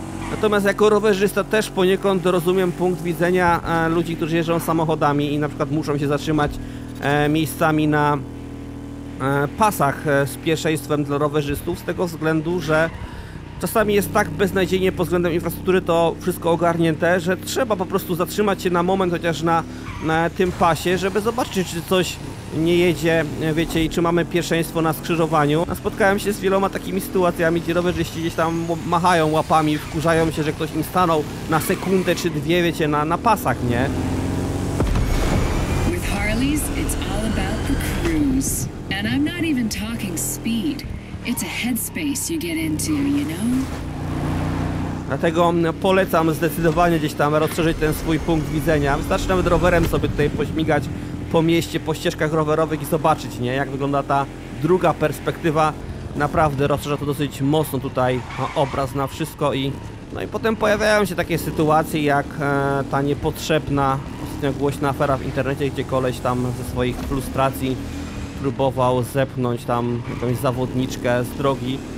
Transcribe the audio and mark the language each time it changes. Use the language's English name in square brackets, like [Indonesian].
[Polish] Natomiast jako rowerzysta też poniekąd rozumiem punkt widzenia ludzi, którzy jeżdżą samochodami i na przykład muszą się zatrzymać miejscami na pasach z pierwszeństwem dla rowerzystów, z tego względu, że czasami jest tak beznadziejnie pod względem infrastruktury to wszystko ogarnięte, że trzeba po prostu zatrzymać się na moment chociaż na tym pasie, żeby zobaczyć, czy coś nie jedzie, wiecie, i czy mamy pierwszeństwo na skrzyżowaniu. A spotkałem się z wieloma takimi sytuacjami, gdzie rowerzyści gdzieś tam machają łapami, wkurzają się, że ktoś im stanął na sekundę czy dwie, wiecie, na pasach, nie? [English] With Harleys, it's all about the cruise. And I'm not even talking speed. It's a headspace you get into, you know? [Polish] Dlatego polecam zdecydowanie gdzieś tam rozszerzyć ten swój punkt widzenia. Wystarczy nawet rowerem sobie tutaj pośmigać po mieście, po ścieżkach rowerowych i zobaczyć, nie, jak wygląda ta druga perspektywa. Naprawdę rozszerza to dosyć mocno tutaj obraz na wszystko i no i potem pojawiają się takie sytuacje jak ta niepotrzebna, ostatnio głośna afera w internecie, gdzie koleś tam ze swoich frustracji próbował zepchnąć tam jakąś zawodniczkę z drogi.